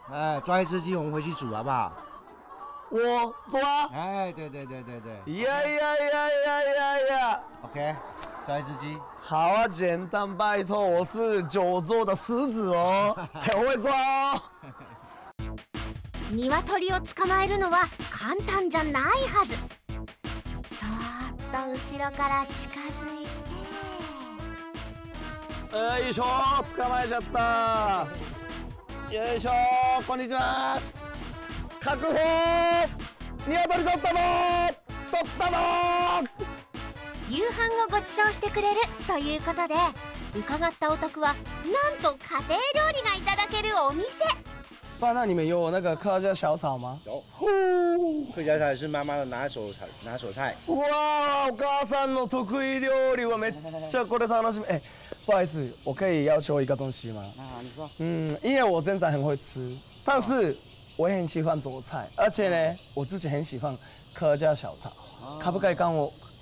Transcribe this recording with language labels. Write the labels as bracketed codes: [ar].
[zh] 哎，抓一只鸡，我们回去煮好不好？我抓。哎，对对对对对。呀呀呀呀呀呀！OK， 抓一只鸡。好啊，简单，拜托，我是九州的狮子哦，很会抓哦。 [ja] 鶏を捕まえるのは簡単じゃないはず。そーっと後ろから近づいて。よいしょ、捕まえちゃった。よいしょ、こんにちは。確保！鶏取ったぞ！取ったぞ！夕飯をご馳走してくれるということで、伺ったお宅はなんと家庭料理がいただけるお店。 [zh] 爸，那你们有那个客家小炒吗？有，客家小炒是妈妈的拿手菜。 [ja] 哇，お母さんの得意料理はめっちゃこれ楽しみ。 [zh] 哎，不好意思，我可以要求一个东西吗？啊，你说。嗯，因为我真的很会吃，但是我也很喜欢做菜，而且呢，我自己很喜欢客家小炒，可不可以跟我？